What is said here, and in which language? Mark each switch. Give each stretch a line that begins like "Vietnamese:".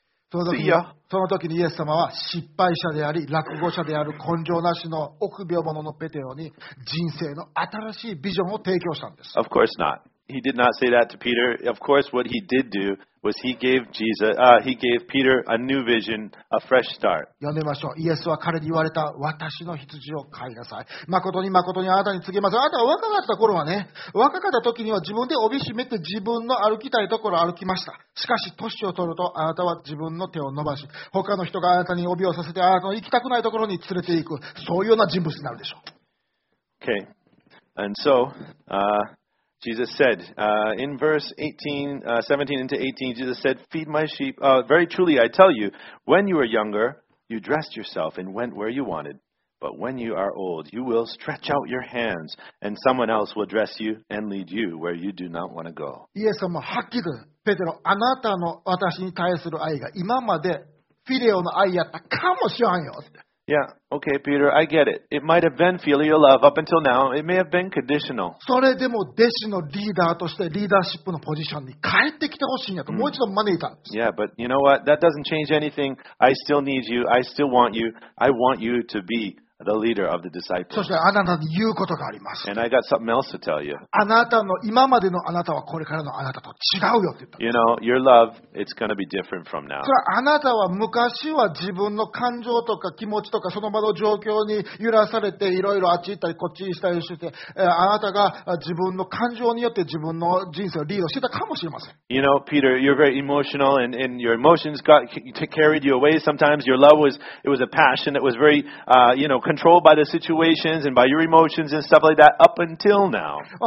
Japanese: その時にイエス様は失敗者であり落語者である根性なしの臆病者のペテロに人生の新しいビジョンを提供したんです。
English: Of course not. He did not say that to Peter. Of course, what he did do was he gave Peter a new vision, a fresh start.
Japanese: 読んでみましょう。イエスは彼に言われた、私の羊を飼いなさい。誠に誠にあなたに告げます。あなたは若かった頃はね、若かった時には自分で帯締めて自分の歩きたいところを歩きました。しかし、年を取ると、あなたは自分の手を伸ばし、他の人があなたに帯をさせて、あなたの行きたくないところに連れて行く、そういうような人物になるでしょう。
English: Okay. And so, Jesus said, in verse 17 into 18, Jesus said, "Feed my sheep. Very truly I tell you, when you were younger, you dressed yourself and went where you wanted. But when you are old, you will stretch out your hands, and someone else will dress you and lead you where you do not want to go."
Japanese: イエス様はっきりペテロ、あなたの私に対する愛が今までフィレオの愛やったかもしれんよ。
English: Yeah, okay, Peter, I get it. It might have been filial love up until now. It may have been conditional.
Japanese: それでも弟子のリーダーとしてリーダーシップのポジションに帰ってきてほしいんやと、もう一度招いたんです。
English: Yeah, but you know what? That doesn't change anything. I still need you. I still want you. I want you to be the leader of the disciples.
Japanese: そしてあなたに言うことがあります。
English: And I got something else to tell you.
Japanese: あなたの今までのあなたはこれからのあなたと違うよって言った。
English: You know, your love, it's going to be different from now.
Japanese: それはあなたは昔は自分の感情とか気持ちとかその場の状況に揺らされていろいろあっち行ったりこっち行ったりしてて、あなたが自分の感情によって自分の人生をリードしてたかもしれません。
English: You know, Peter, you're very emotional and your emotions got carried you away sometimes. Your love was, it was a passion. It was very, you know,controlled by the situations and by your emotions and stuff like that up until now.